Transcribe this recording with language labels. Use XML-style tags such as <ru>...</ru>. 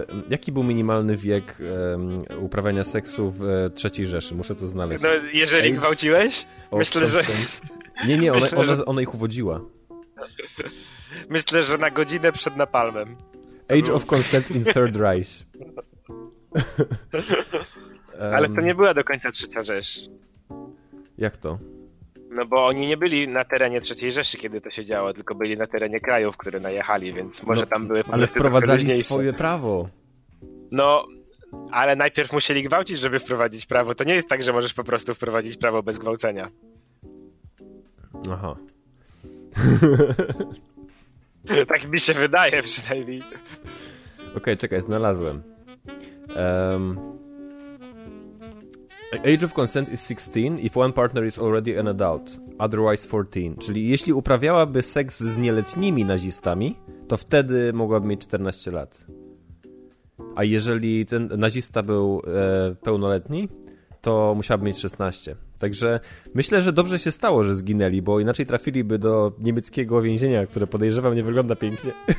<pl>Jaki był minimalny wiek uprawiania seksu w III Rzeszy? Muszę to znaleźć. No, jeżeli age? Gwałciłeś? Myślę, że... Nie, ona ich uwodziła. Myślę, że na godzinę przed Napalmem.</pl> <en>Age of Consent in Third Reich.</en> <pl>Ale to nie była do końca Trzecia Rzesz. Jak to? No bo oni nie byli na terenie Trzeciej Rzeszy, kiedy to się działo, tylko byli na terenie krajów, które najechali, więc może no, tam były... Ale wprowadzali swoje prawo. No, ale najpierw musieli gwałcić, żeby wprowadzić prawo. To nie jest tak, że możesz po prostu wprowadzić prawo bez gwałcenia. Aha. Tak mi się wydaje przynajmniej. Okej, czekaj, znalazłem.</pl> <en>Age of consent is 16 if one partner is already an adult, otherwise 14.</en> <pl>Czyli jeśli uprawiałaby seks z nieletnimi nazistami, to wtedy mogłaby mieć 14 lat. A jeżeli ten nazista był pełnoletni, to musiałaby mieć 16. Także myślę, że dobrze się stało, że zginęli, bo inaczej trafiliby do niemieckiego więzienia, które podejrzewam nie wygląda pięknie.</pl>